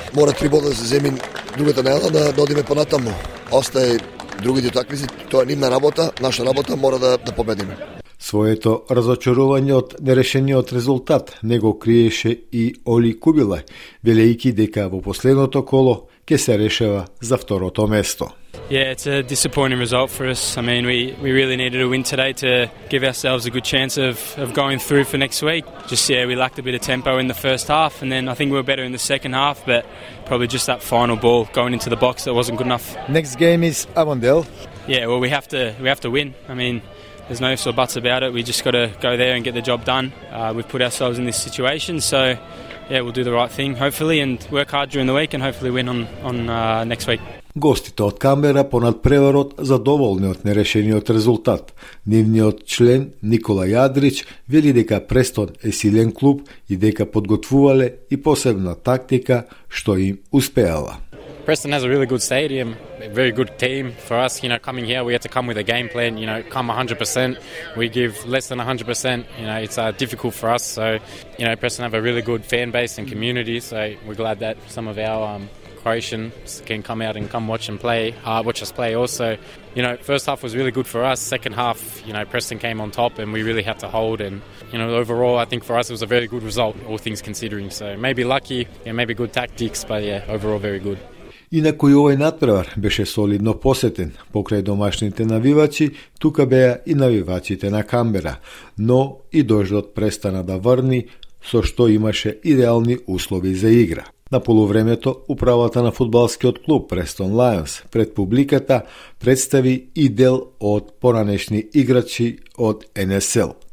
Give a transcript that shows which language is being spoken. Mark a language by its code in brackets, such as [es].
[mk] Мора три бода да се земи другата неја да одиме понатаму. Остае другите такмици, тоа е нивна работа, наша работа мора да победиме. Своето разочарување од нерешениот резултат не го криеше и Оли Кубила, велејки дека во последното коло ке се решава за второто место. [en] Yeah, it's a disappointing result for us. I mean, we really needed a win today to give ourselves a good chance of going through for next week. Just yeah, we lacked a bit of tempo in the first half, and then I think we were better in the second half, but probably just that final ball going into the box that wasn't good enough. Next game is Avondale. Yeah, well, we have to win. I mean, there's no ifs or buts about it. We just got to go there and get the job done. We've put ourselves in this situation, so yeah, we'll do the right thing, hopefully, and work hard during the week, and hopefully win on next week. [mk] Гостите од Камбера понад преварот задоволни од нерешениот резултат. Нивниот член Никола Јадрич вели дека Престон е силен клуб и дека подготвувале и посебна тактика што им успеала. [en] Preston has a really good stadium, a very good team for us. You know, coming here, we had to come with a game plan, you know, come 100%. We give less than 100%. You know, it's difficult for us. So, you know, Preston have a really good fan base and community. So we're glad that some of our Croatians can come out and come watch and play, watch us play also. You know, first half was really good for us. Second half, you know, Preston came on top and we really had to hold. And, you know, overall, I think for us it was a very good result, all things considering. So maybe lucky, yeah, maybe good tactics, but yeah, overall very good. [mk] Инаку и овој надпревар беше солидно посетен. Покрај домашните навивачи, тука беа и навивачите на Камбера. Но и дождот престана да врни, со што имаше идеални услови за игра. На полувремето, управата на фудбалскиот клуб Престон Лајонс пред публиката представи и дел од поранешни играчи од НСЛ.